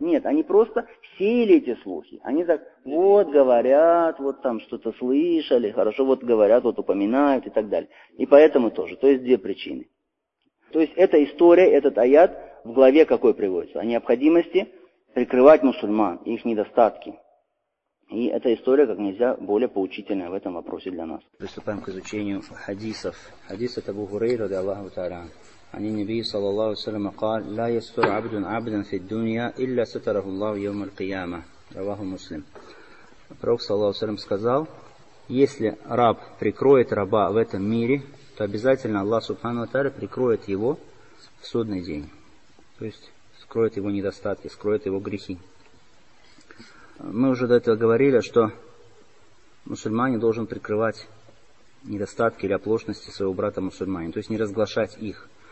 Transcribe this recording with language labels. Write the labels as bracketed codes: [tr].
[ru] Нет, они просто сеяли эти слухи. Они так, вот говорят, вот там что-то слышали, хорошо, вот говорят, вот упоминают и так далее. И поэтому тоже. То есть две причины. То есть эта история, этот аят в главе какой приводится? О необходимости прикрывать мусульман, их недостатки. И эта история как нельзя более поучительная в этом вопросе для нас. Приступаем к изучению хадисов. Хадис от Абу Хурейры ради Аллаху Тааля. [ar] Ани Набии саллаллаху алейхи ва саллям قال: لا يستر عبد عبدا في الدنيا إلا ستره الله يوم القيامة. Раваху Муслим. [ru] Пророк саллаллаху алейхи ва саллям сказал: если раб прикроет раба в этом мире, то обязательно Аллах субхана ва тааля прикроет его в судный день. То есть скроет его недостатки, скроет его грехи. Мы уже до этого говорили, что мусульманин должен прикрывать недостатки или оплошности своего брата-мусульманина, то есть не разглашать их.